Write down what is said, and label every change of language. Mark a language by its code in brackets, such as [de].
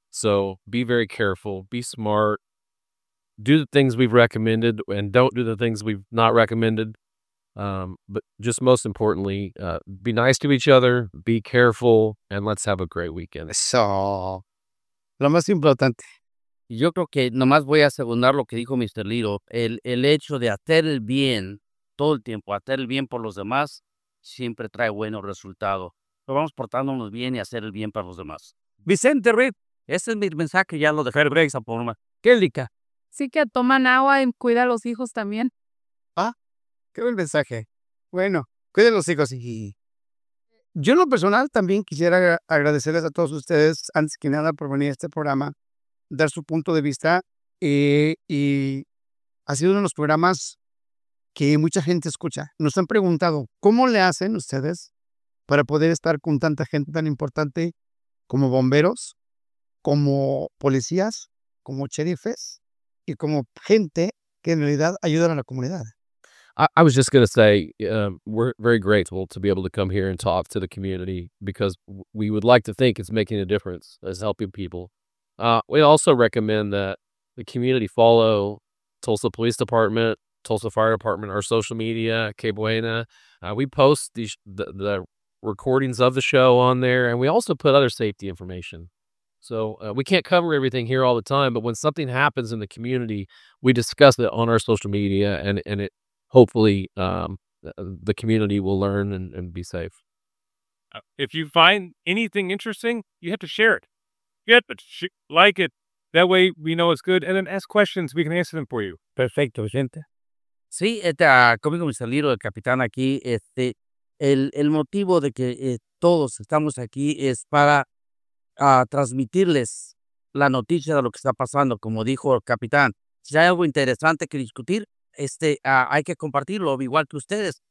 [en] So be very careful, be smart, do the things we've recommended and don't do the things we've not recommended. But just most importantly, be nice to each other, be careful, and let's have a great weekend. [es] So, lo más importante. Yo creo que nomás voy a secundar lo que dijo Mr. Lito. El hecho de hacer el bien todo el tiempo, hacer el bien por los demás, siempre trae buenos resultados. Pero vamos portándonos bien y hacer el bien para los demás. Vicente Reed, ese es mi mensaje, ya lo dejé de esa forma. Kélica. Sí que toman agua y cuida a los hijos también. Ah, qué buen mensaje. Bueno, cuiden los hijos. Y yo en lo personal también quisiera agradecerles a todos ustedes, antes que nada, por venir a este programa, dar su punto de vista. Y ha sido uno de los programas que mucha gente escucha. Nos han preguntado, ¿cómo le hacen ustedes para poder estar con tanta gente tan importante como bomberos, como policías, como sheriffes y como gente que en realidad ayuda a la comunidad? [en] I was just going to say, we're very grateful to be able to come here and talk to the community because we would like to think it's making a difference, it's helping people. We also recommend that the community follow Tulsa Police Department, Tulsa Fire Department, our social media, Que Buena. We post the recordings of the show on there, and we also put other safety information. So we can't cover everything here all the time, but when something happens in the community, we discuss it on our social media, and it hopefully the community will learn and be safe. If you find anything interesting, you have to share it. Yeah, but like it. That way we know it's good. And then ask questions. We can answer them for you. [es] Perfecto, gente. Sí, como mi salido el capitán aquí, el motivo de que todos estamos aquí es para transmitirles la noticia de lo que está pasando. Como dijo el capitán, si hay algo interesante que discutir, hay que compartirlo, igual que ustedes.